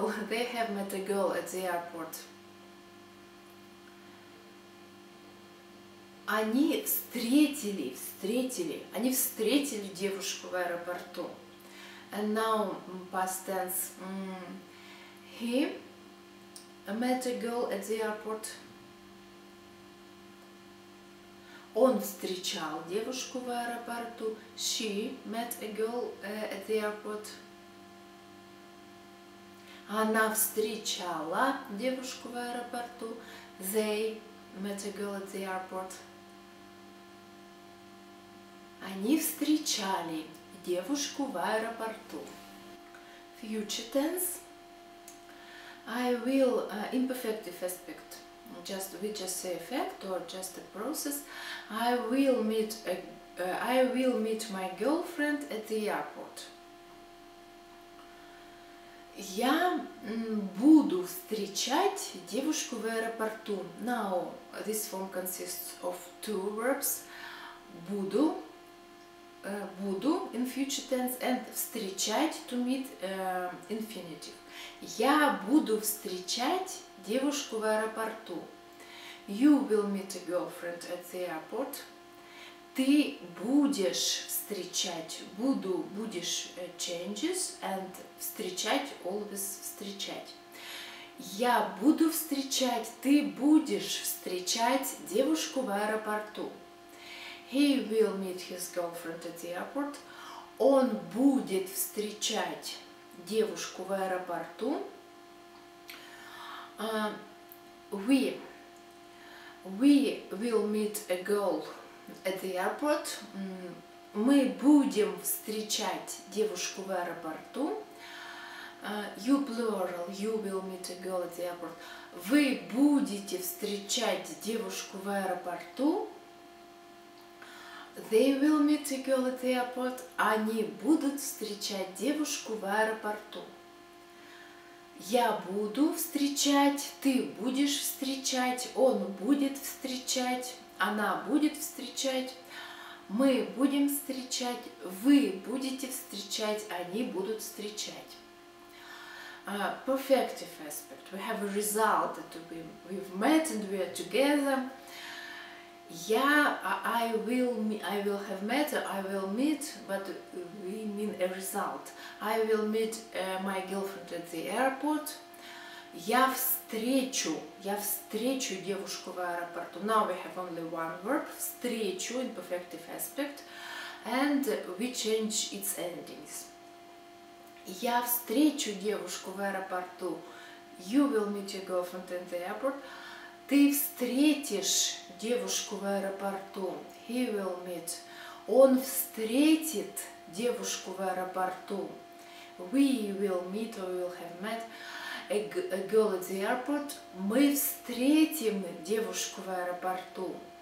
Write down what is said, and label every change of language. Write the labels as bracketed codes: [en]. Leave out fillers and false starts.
[en] They have met a girl at the airport. [ru] Они встретили, они встретили девушку в аэропорту. [en] And now past tense. He met a girl at the airport. [ru] Он встречал девушку в аэропорту. [en] She met a girl at the airport. [ru] Она встречала девушку в аэропорту. [en] They met a girl at the airport. [ru] Они встречали девушку в аэропорту. [en] Future tense. I will imperfective aspect. Just we just say effect or just a process. I will meet my girlfriend at the airport. [ru] Я буду встречать девушку в аэропорту. [en] Now this form consists of two verbs. Буду буду in future tense and встречать to meet infinitive. [ru] Я буду встречать девушку в аэропорту. [en] You will meet a girlfriend at the airport. [ru] Ты будешь встречать. Буду, будешь [en] changes and [ru] встречать [en] always [ru] встречать. Я буду встречать. Ты будешь встречать девушку в аэропорту. [en] He will meet his girlfriend at the airport. [ru] Он будет встречать девушку в аэропорту. [en] We will meet a girl at the airport. [ru] Мы будем встречать девушку в аэропорту. [en] You plural. You will meet a girl at the airport. [ru] Вы будете встречать девушку в аэропорту. [en] They will meet a girl at the airport. [ru] Они будут встречать девушку в аэропорту. Я буду встречать, ты будешь встречать, он будет встречать, она будет встречать, мы будем встречать, вы будете встречать, они будут встречать. [en] Perfective aspect. We have a result that we've met and we are together. Я, I will meet, but we mean a result. I will meet my girlfriend at the airport. [ru] Я встречу девушку в аэропорту. [en] Now we have only one verb, встречу, in perfective aspect, and we change its endings. [ru] Я встречу девушку в аэропорту. [en] You will meet your girlfriend at the airport. [ru] Ты встретишь девушку в аэропорту. [en] He will meet. [ru] Он встретит девушку в аэропорту. [en] We will meet or will have met a girl at the airport. [ru] Мы встретим девушку в аэропорту.